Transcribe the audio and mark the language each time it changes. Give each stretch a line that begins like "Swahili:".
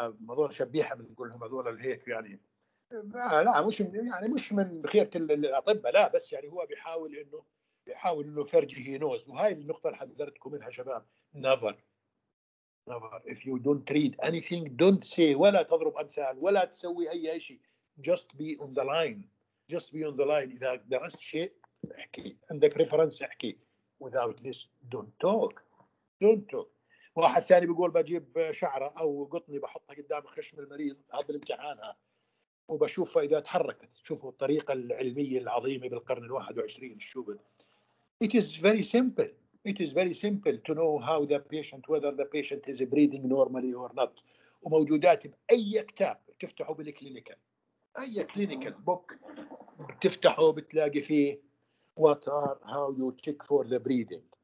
Arabic: هذول شبيحة بنقول لهم هذول الهيك يعني لا مش من يعني مش من خيرة الأطباء لا بس يعني هو بيحاول إنه فرجه نوز وهاي النقطة اللي حذرتكم منها شباب
English: never if you don't read anything don't say
Arabic: ولا تضرب أمثال ولا تسوي أي شيء
English: just be on the line
Arabic: إذا درست شيء احكي عندك reference احكي
English: without this don't talk
Arabic: واحد ثاني بيقول بجيب شعرة أو قطني بحطها قدام خشم المريض قبل امتحانها وبشوف فإذا تحركت شوفوا الطريقة العلمية العظيمة بالقرن 21 الشوبن.
English: It is very simple to know how the patient, whether the patient is breathing normally or not.
Arabic: وموجودات بأي كتاب تفتحه بالكلينيكال أي كلينيكال بوك تفتحه بتلاقي فيه
English: what are how you check for the breathing.